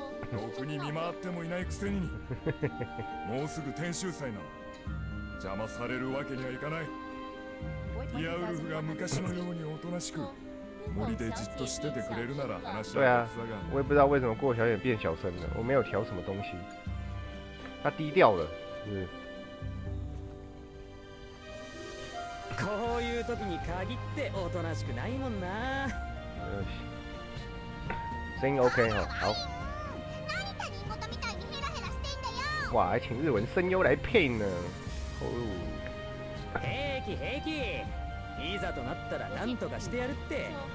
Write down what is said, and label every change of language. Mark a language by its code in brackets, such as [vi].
[ja] 遠くに見回ってもいないくせに。もうすぐ天秀祭な。邪魔されるわけにはいかない。ディアウルフが昔のようにおとなしく森でじっとしててくれるなら話は別だが。 [zh] 我也不知道为什么郭小姐变小声了。我没有调什么东西。他低调了。是。 [ja] こういう時に限っておとなしくないもんな。 [zh] 声音 OK 哈、哦，好。哇，还请日文声优来配呢。 [ja] 平気平気、いざとなったら何とかしてやるって。